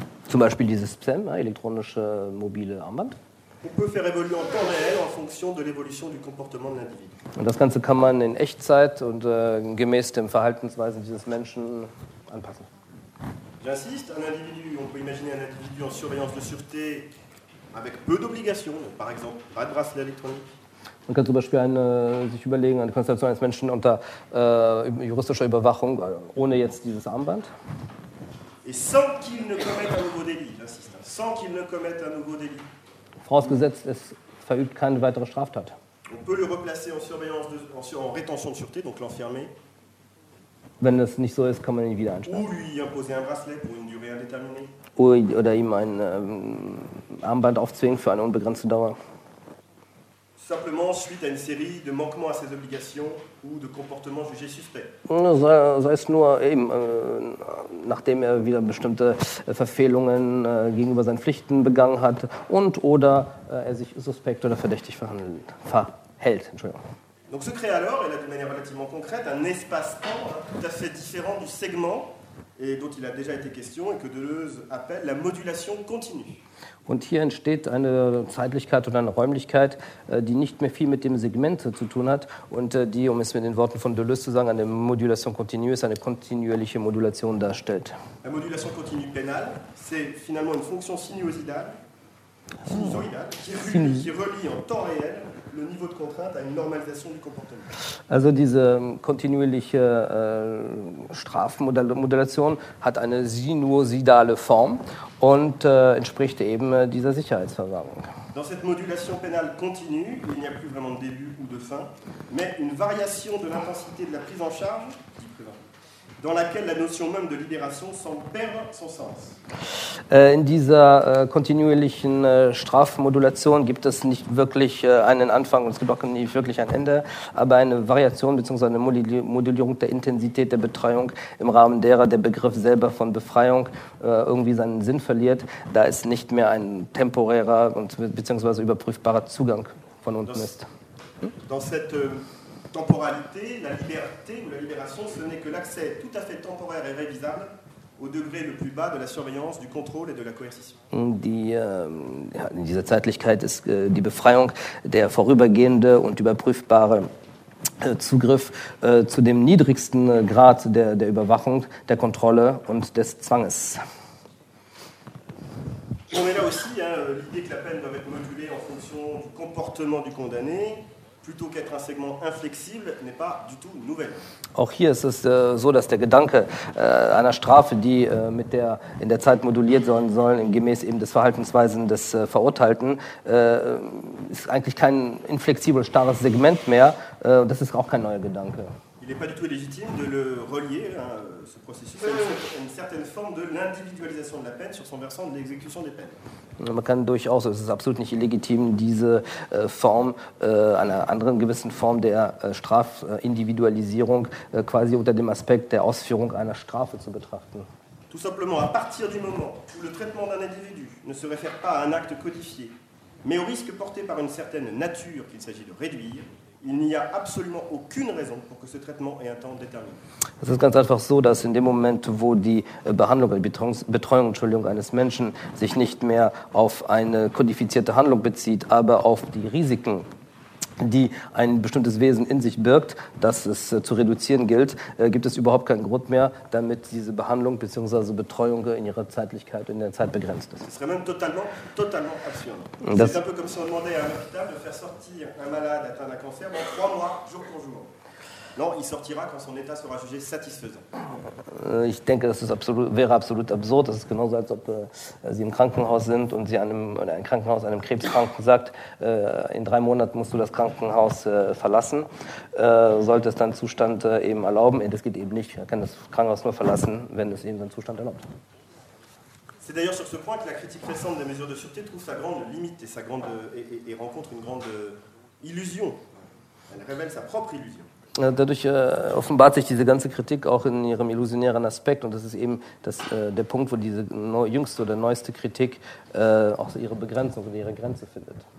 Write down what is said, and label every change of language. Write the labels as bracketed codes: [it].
[de] Zum Beispiel dieses PSEM, ja, elektronische mobile Armband. [fr] On peut faire évoluer en temps réel en fonction de l'évolution du comportement de l'individu. [de] Und das Ganze kann man in Echtzeit und gemäß dem Verhaltensweisen dieses Menschen anpassen. [fr] J'insiste, un individu, on peut imaginer un individu en surveillance de sûreté avec peu d'obligations, par exemple, pas de bracelet électronique. [de] Man kann zum Beispiel sich überlegen, eine Konstellation eines Menschen unter juristischer Überwachung, ohne jetzt dieses Armband. [fr] Et sans qu'il ne commette un nouveau délit, j'insiste, sans qu'il ne commette un nouveau délit. [de] Vorausgesetzt, es verübt keine weitere Straftat. [fr] On peut le replacer en surveillance, en rétention de sûreté, donc l'enfermer. [de] Wenn das nicht so ist, kann man ihn wieder einsperren. [fr] Ou lui imposer un bracelet pour une durée indéterminée. [de] Oder ihm ein Armband aufzwingen für eine unbegrenzte Dauer. [fr] Simplement suite à une série de manquements à ses obligations ou de comportements jugés suspects. [de] Sei es nur eben, nachdem wieder bestimmte Verfehlungen gegenüber seinen Pflichten begangen hat und oder sich suspekt oder verdächtig verhält. Entschuldigung. [fr] Donc se crée alors, et là de manière relativement concrète, un espace-temps tout à fait différent du segment et dont il a déjà été question et que Deleuze appelle la modulation continue. [de] Und hier entsteht eine Zeitlichkeit oder eine Räumlichkeit, die nicht mehr viel mit dem Segment zu tun hat und die, um es mit den Worten von Deleuze zu sagen, eine Modulation continue ist, eine kontinuierliche Modulation darstellt. [fr] La modulation continue pénale, c'est finalement une fonction sinuosidale qui relie en temps réel le niveau de contrainte à une normalisation du comportement. [de] Also diese kontinuierliche Strafmodellation hat eine sinusoidale Form und entspricht eben dieser Sicherheitsverwahrung. [fr] Dans cette modulation pénale continue, il n'y a plus vraiment de début ou de fin, mais une variation de l'intensité de la prise en charge, dans laquelle la notion même de libération semble perdre son sens. [de] In dieser kontinuierlichen Strafmodulation gibt es nicht wirklich einen Anfang und es gibt auch nicht wirklich ein Ende, aber eine Variation bzw. eine Modulierung der Intensität der Betreuung im Rahmen derer der Begriff selber von Befreiung irgendwie seinen Sinn verliert, da es nicht mehr ein temporärer bzw. überprüfbarer Zugang von unten ist. [fr] Dans cette temporalité, la liberté ou la libération, ce n'est que l'accès tout à fait temporaire et révisable au degré le plus bas de la surveillance, du contrôle et de la coercition. [de] In dieser Zeitlichkeit ist die Befreiung der vorübergehende und überprüfbare Zugriff zu dem niedrigsten Grad der Überwachung, der Kontrolle und des Zwanges. [fr] On est là aussi, l'idée que la peine doit être modulée en fonction du comportement du condamné, plutôt qu'être un segment inflexible, n'est pas du tout nouvelle. [de] Auch hier ist es so, dass der Gedanke einer Strafe, die mit der in der Zeit moduliert sein soll, gemäß eben des Verhaltensweisen des Verurteilten, ist eigentlich kein inflexibel starres Segment mehr. Das ist auch kein neuer Gedanke. [fr] Il n'est pas du tout légitime de le relier, ce processus, à une certaine forme de l'individualisation de la peine sur son versant de l'exécution des peines. [de] Man kann durchaus, es ist absolut nicht illegitim, diese Form, einer anderen gewissen Form der Strafindividualisierung quasi unter dem Aspekt der Ausführung einer Strafe zu betrachten. [fr] Tout simplement, à partir du moment où le traitement d'un individu ne se réfère pas à un acte codifié, mais au risque porté par une certaine nature qu'il s'agit de réduire, il n'y a absolument aucune raison pour que ce traitement ait un temps déterminé. [de] Es ist ganz einfach so, dass in dem Moment, wo die Behandlung, die Betreuung eines Menschen sich nicht mehr auf eine kodifizierte Handlung bezieht, aber auf die Risiken, die ein bestimmtes Wesen in sich birgt, dass es zu reduzieren gilt, gibt es überhaupt keinen Grund mehr, damit diese Behandlung bzw. Betreuung in ihrer Zeitlichkeit, in der Zeit begrenzt ist. Es wäre [fr] même totalement absurd. [de] Das ist [fr] un peu comme si on demandait à un hôpital de faire sortir un malade atteint d'un cancer dans 3 mois, jour pour jour. Non, il sortira quand son état sera jugé satisfaisant. [de] Ich denke, das ist absolut, wäre absolut absurd. Das ist genauso, als ob Sie im Krankenhaus sind und Sie einem oder ein Krankenhaus einem Krebskranken sagt, in 3 Monaten musst du das Krankenhaus verlassen. Sollte es dann Zustand eben erlauben, das geht eben nicht. Er kann das Krankenhaus nur verlassen, wenn es eben seinen Zustand erlaubt. [fr] C'est d'ailleurs sur ce point que la critique récente des mesures de sûreté trouve sa grande limite et, sa grande, et rencontre une grande illusion. Elle révèle sa propre illusion. [de] Dadurch offenbart sich diese ganze Kritik auch in ihrem illusionären Aspekt. Und das ist eben der Punkt, wo diese jüngste oder neueste Kritik auch ihre Begrenzung oder ihre Grenze findet.